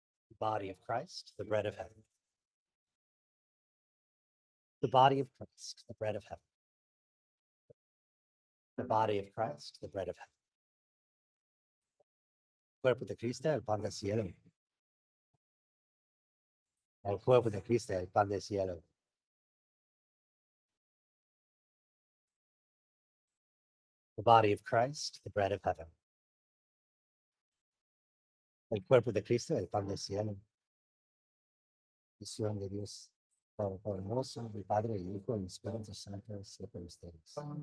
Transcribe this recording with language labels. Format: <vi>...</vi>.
<en>The body of Christ, the bread of heaven. The body of Christ, the bread of heaven. The body of Christ, the bread of heaven.</en> <es>Cuerpo de Cristo, el pan del cielo. El cuerpo de Cristo, el pan del cielo.</es> <en>The body of Christ, the bread of heaven.</en> <es>El cuerpo de Cristo, el pan del cielo. Visión de Dios, por hermoso, el Padre, el Hijo, el Espíritu Santo, siempre ustedes.</es>